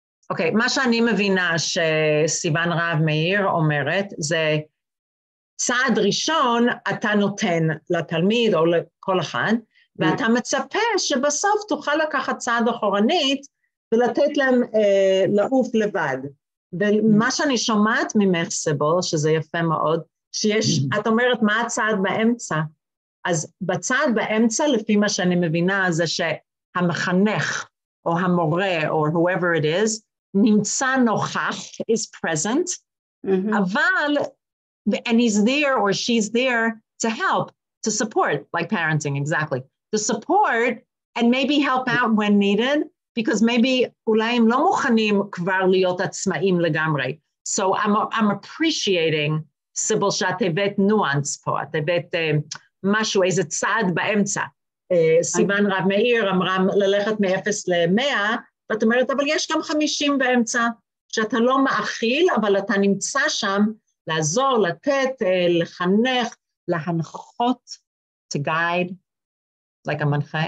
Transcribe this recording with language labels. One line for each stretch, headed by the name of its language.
Hebrew: אוקיי, מה שאני מבינה שסיוון רב מאיר אומרת, זה צעד ראשון אתה נותן לתלמיד או לכל אחד, ואתה מצפה שבסוף תוכל לקחת צעד אחורנית ולתת להם לעוף לבד. ומה שאני שומעת ממך סבול, שזה יפה מאוד, שיש, את אומרת מה הצעד באמצע. אז בצעד באמצע, לפי מה שאני מבינה, זה שהמחנך או המורה או
English: whoever it is,
Hebrew: נמצא נוכח,
English: is present, אבל, and he's there or she's there to help, to support, like parenting, exactly. To support and maybe help out when needed, because maybe
Hebrew: אולי הם לא מוכנים כבר להיות עצמאים לגמרי.
English: So I'm appreciating,
Hebrew: Sybil, שאת הבאת nuance פה, את הבאת משהו, איזה צעד באמצע. סיוון רב מאיר אמרה ללכת מ-0 ל-100, ואת אומרת, אבל יש גם 50 באמצע, שאתה לא מאכיל, אבל אתה נמצא שם לעזור, לתת, לחנך, להנחות,
English: to guide, like a
Hebrew: מנחה.